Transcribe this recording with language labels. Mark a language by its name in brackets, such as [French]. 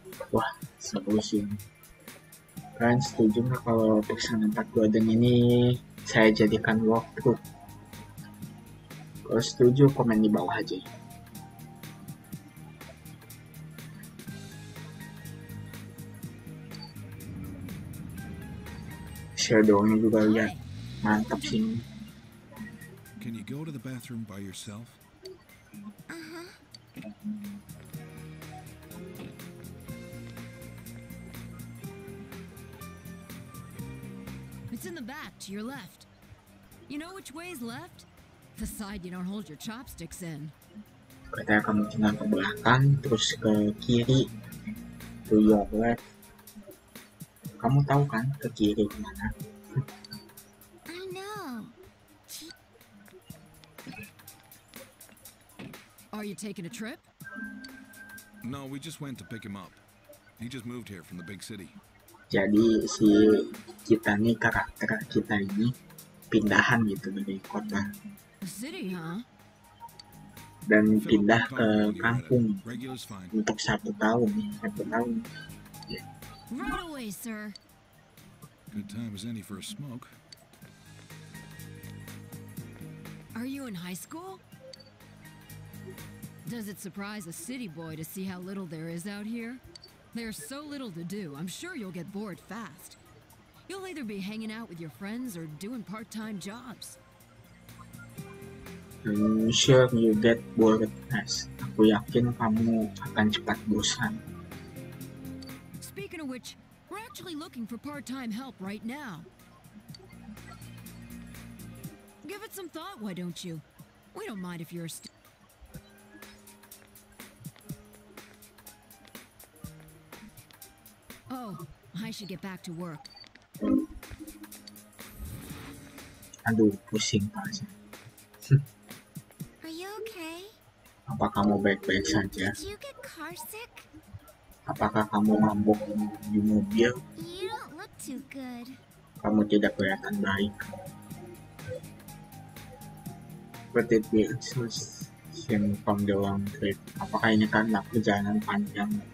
[Indonesian] Wah, seru sih. Kalian setuju nggak kalau Persona 4 Golden ini saya jadikan walkthrough? Kalau setuju, komen di bawah aja. Shadow-nya juga lihat, mantap sih. [English] Can you go to the bathroom by yourself? It's in the back, to your left. You know which way is left? The side you don't hold your chopsticks in. [Indonesian] Kita akan mencengang ke belakang, terus ke kiri. [English] To your left. [Indonesian] Kamu tahu kan ke kiri kemana? [English] I know. Are you taking a trip? No, we just went to pick him up. He just moved here from the big city. [Indonesian] Jadi si kita nih, karakter kita ini pindahan gitu dari kota. [English] The city, huh? [Indonesian] Dan pindah ke kampung untuk satu tahun. [English] Right away, sir. Good time as any for a smoke. Are you in high school? Does it surprise a city boy to see how little there is out here? There's so little to do, I'm sure you'll get bored fast. You'll either be hanging out with your friends or doing part-time jobs. I'm sure you get bored fast. [Indonesian] Aku yakin kamu akan cepat bosan. [English] Speaking of which, we're actually looking for part-time help right now. Give it some thought, why don't you? We don't mind if you're a Oh, I should get back to work. [Indonesian] Aduh, pusing pasnya. [English] Are you okay? [Indonesian] Apa kamu baik-baik saja? [English] Did you get car sick? [Indonesian] Apakah kamu mabuk di mobil? [English] You don't look too good. [Indonesian] Kamu tidak kelihatan baik. [English] But it was seen from the long trip. [Indonesian] Apakah ini karena perjalanan panjang?